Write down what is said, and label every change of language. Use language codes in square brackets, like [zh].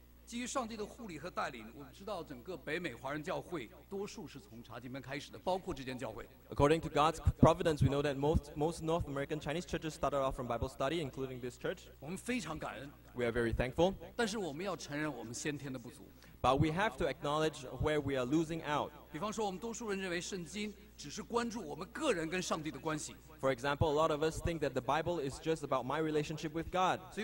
[zh] 基于上帝的护理和带领，我们知道整个北美华人教会多数是从查经班开始的，包括这间教会。 [en] According to God's providence, we know that most North American Chinese churches started off from Bible study, including this church. [zh] 我们非常感恩。 [en] We are very thankful. [zh] 但是我们要承认我们先天的不足。 [en] But we have to acknowledge where we are losing out. [zh] 比方说，我们多数人认为圣经只是关注我们个人跟上帝的关系。 [en] For example, a lot of us think that the Bible is just about my relationship with God.